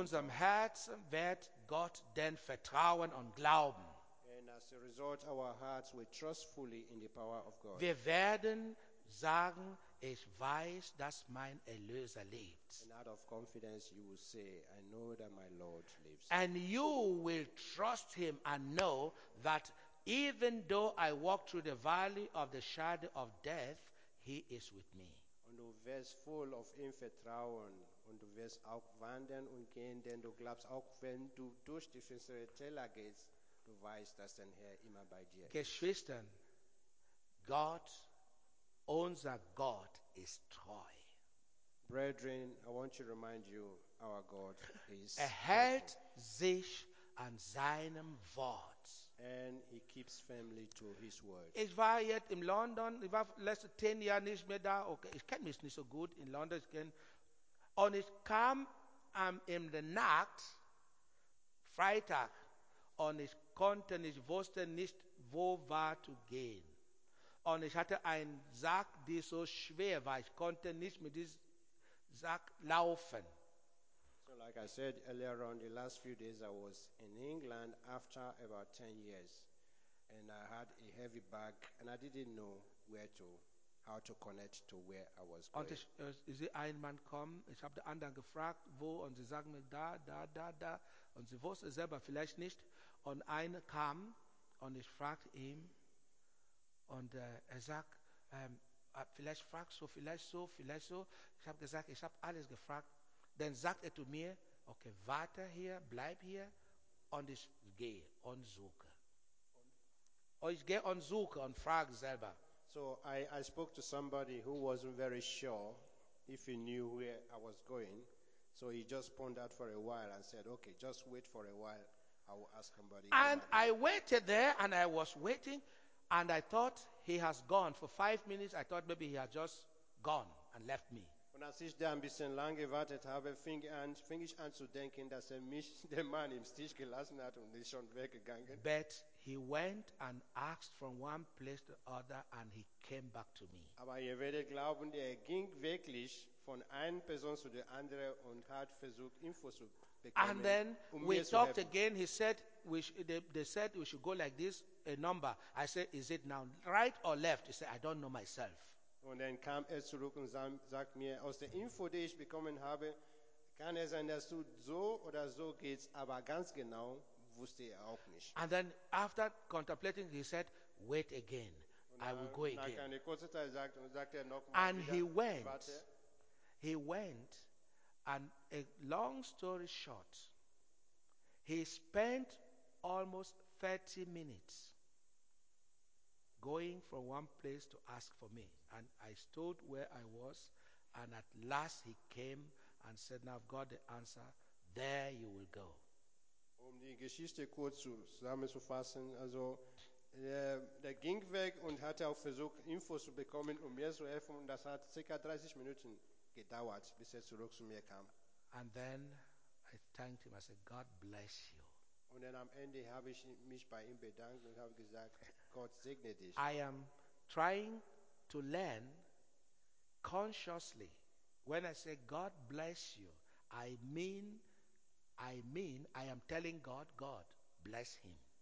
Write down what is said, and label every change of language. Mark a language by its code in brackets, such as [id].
[de] Unser Herz wird Gott denn vertrauen und glauben. [en] And as a result, our hearts will trust fully in the power of God. [de] Wir werden sagen, ich weiß, dass mein Erlöser lebt. [en] And out of confidence you will say, I know that my Lord lives. And you will trust him and know that even though I walk through the valley of the shadow of death, he is with me. [de] Und du wirst voll auf ihn vertrauen und du wirst auch wandern und gehen, denn du glaubst auch, wenn du durch die finstere Täler gehst, du weißt, dass dein Herr immer bei dir ist. Geschwister, Gott, unser Gott ist treu. [en] Brethren, I want to remind you, our God is [de] er hält sich an seinem Wort. [en] And he keeps firmly to his word. [de] Ich war jetzt in London, ich war letzte 10 Jahre nicht mehr da. Okay, ich kenne mich nicht so gut in London. Und ich kam in der Nacht, Freitag, und ich konnte nicht, wusste nicht, wo war zu gehen. Und ich hatte einen Sack, der so schwer war. Ich konnte nicht mit diesem Sack laufen. [en] So like I said earlier on, the last few days I was in England after about 10 years. And I had a heavy bag and I didn't know how to connect to where I was going. [de] Und ist ein Mann gekommen. Ich habe den anderen gefragt, wo. Und sie sagten mir, da. Und sie wusste selber vielleicht nicht. Und einer kam und ich fragte ihn, und er sagt, vielleicht fragst du, vielleicht so. Ich habe gesagt, ich habe alles gefragt. Dann sagt er zu mir, okay, warte hier, bleib hier und ich gehe und suche. Und ich gehe und suche und frage selber. [en] So I spoke to somebody who wasn't very sure if he knew where I was going. So he just pondered for a while and said, okay, just wait for a while. I will ask somebody. And I waited there and I was waiting. And I thought he has gone. For 5 minutes, I thought maybe he had just gone and left me. [de] Und als ich da ein bisschen lange wartet habe, fing ich an zu denken, dass er mich, der Mann, im Stich gelassen hat und ist schon weggegangen. [en] But he went and asked from one place to other and he came back to me. [de] Aber ihr werdet glauben, er ging wirklich von einer Person zu der anderen und hat versucht, Infos zu bekommen. [en] And then we talked again. He said, they said we should go like this. A number. I said, is it now right or left? He said, I don't know myself. [de] Und dann kam er zurück und sagt mir, aus der Info, die ich bekommen habe, kann es sein, dass du so oder so geht's, aber ganz genau wusste er auch nicht. [en] And then after contemplating, he said, wait again, I will go again. [de] Nach einer kurzen Zeit sagte er nochmal, [en] and he went, and a long story short, he spent almost 30 minutes going from one place to ask for me. And I stood where I was, and at last he came and said, now I've got the answer, there you will go. [de] Um die Geschichte kurz zusammenzufassen, also der ging weg und hatte auch versucht, Infos zu bekommen, um mir zu helfen, und das hat ca. 30 Minuten gedauert, bis er zurück zu mir kam. [en] And then I thanked him, I said, God bless you. [de] Und dann am Ende habe ich mich bei ihm bedankt und habe gesagt, Gott segne dich. [en] I am trying to learn consciously. When I say God bless you, I mean I am telling God, God bless him.